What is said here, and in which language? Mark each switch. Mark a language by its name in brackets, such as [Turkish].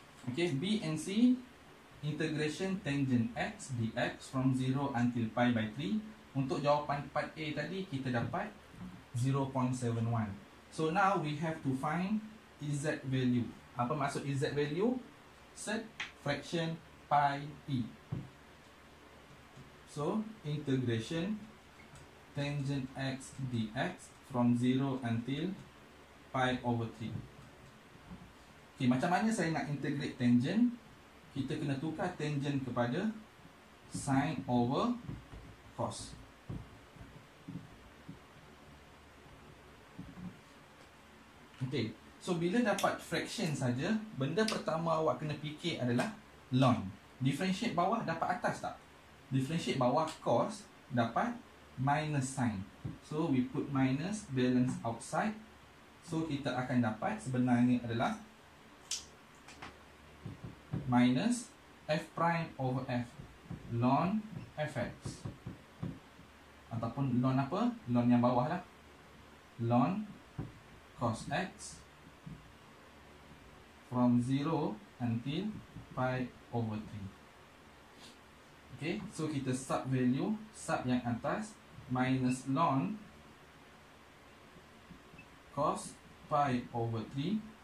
[English] Okay, B and C, integration tangent X dx from 0 until pi by 3. [Malay] Untuk jawapan 4A tadi, kita dapat 0.71. [English] So now we have to find exact value. [Malay] Apa maksud [English] exact value? Set fraction pi e. So integration tangent x dx from 0 until pi over 3. [Malay] Okay, macam mana saya nak integrate tangent? Kita kena tukar tangent kepada sin over cos. Okay, so bila dapat fraction saja, benda pertama awak kena fikir adalah ln. Differentiate bawah dapat atas tak? Differentiate bawah cos dapat minus sign. [English] So we put minus balance outside. [Malay] So kita akan dapat sebenarnya adalah minus f prime over f ln fx, ataupun ln apa? Ln yang bawah lah. [English] Ln cos x from 0 until pi over 3. Okay, so kita sub value, sub yang atas, minus ln cos pi over 3.